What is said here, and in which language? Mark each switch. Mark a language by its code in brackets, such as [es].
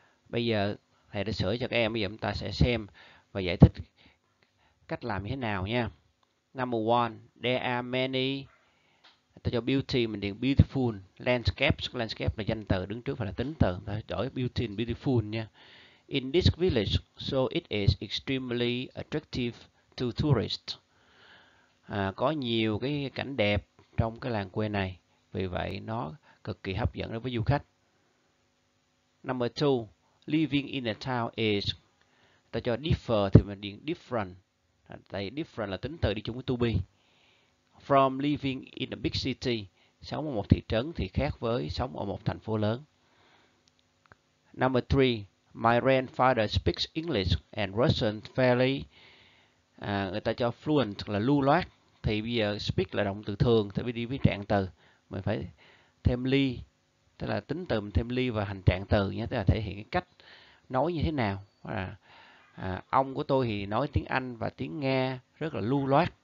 [vi] Bây giờ thầy đã sửa cho các em. Bây giờ chúng ta sẽ xem và giải thích cách làm như thế nào nha. [en] Number 1. There are many. [vi] Ta cho beauty, mình điền beautiful. Landscapes. Landscape là danh từ, đứng trước phải là tính từ. Ta đổi beauty and beautiful nha. [en] In this village, so it is extremely attractive to tourists. [vi] Có nhiều cái cảnh đẹp trong cái làng quê này, vì vậy nó cực kỳ hấp dẫn đối với du khách. [en] Number 2, living in a town is, [vi] ta cho differ thì mình điền different, tại different là tính từ đi chung với to be. [en] From living in a big city, [vi] sống ở một thị trấn thì khác với sống ở một thành phố lớn. [en] Number 3, my grandfather speaks English and Russian fairly. [vi] Người ta cho fluent là lưu loát. Thì bây giờ speak là động từ thường, thì đi với trạng từ. Mình phải thêm ly, tức là tính từ mình thêm ly và hành trạng từ nhé, tức là thể hiện cái cách nói như thế nào. Ông của tôi thì nói tiếng Anh và tiếng Nga rất là lưu loát.